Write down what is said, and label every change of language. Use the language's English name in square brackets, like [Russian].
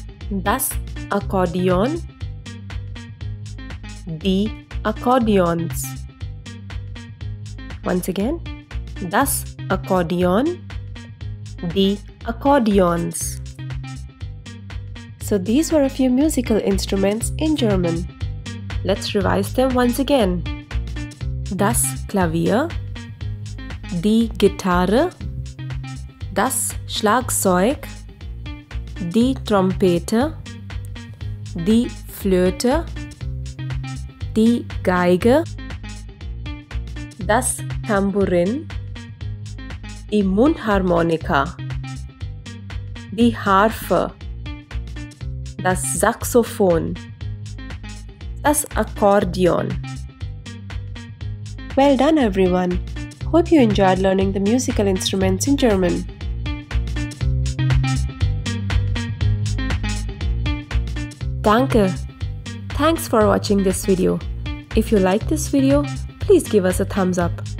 [German] Das Akkordeon, die Akkordeons. [English] Once again, [German] das Akkordeon, die Akkordeons. [English] So these were a few musical instruments in German. Let's revise them once again. [German] Das Klavier, die Gitarre, das Schlagzeug, die Trompete, die Flöte, die Geige, das Tambourin, die Mundharmonika, die Harfe, das Saxophon, das Akkordeon. [English] Well done, everyone. Hope you enjoyed learning the musical instruments in German. [German] Danke. [English] Thanks for watching this video. If you like this video, please give us a thumbs up.